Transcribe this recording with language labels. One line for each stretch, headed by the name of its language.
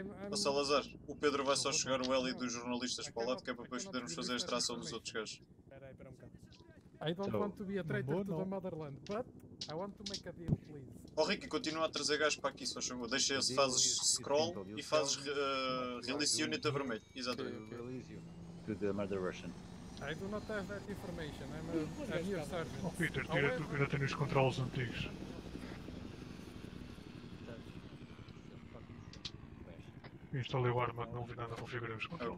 Portuguese: O Salazar, o Pedro vai só chegar o Eli dos jornalistas para lá, que é para depois podermos fazer a extração dos outros gajos.
English: I don't want to be a traitor to the motherland, but I want to make a deal, please.
Portuguese: Oh, Ricky, continua a trazer gajos para aqui, só chegou. Deixa esse, fazes scroll e fazes release unit a vermelho. Exatamente.
English: To the mother Russian. I do not have that information, I'm a new sergeant.
Portuguese: Oh, Peter, tira tu que ainda tenho os controles antigos. Instalei o arma, não vi nada, configurei os controles.